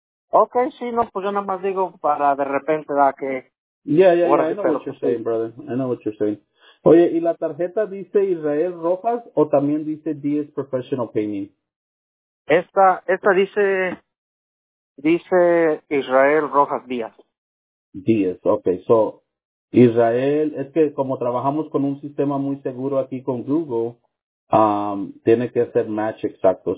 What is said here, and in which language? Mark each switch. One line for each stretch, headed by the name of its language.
Spanish: Okay, sí, no, pues yo nada más digo para de repente da que...
English: Yeah, I know what you're saying, brother. I know what you're saying.
Spanish: Oye, ¿y la tarjeta dice Israel Rojas o también dice DS Professional Painting? Esta dice Israel Rojas Díaz. Díaz, okay. So, Israel, es que como trabajamos con un sistema muy seguro aquí con Google, tiene que hacer match exacto.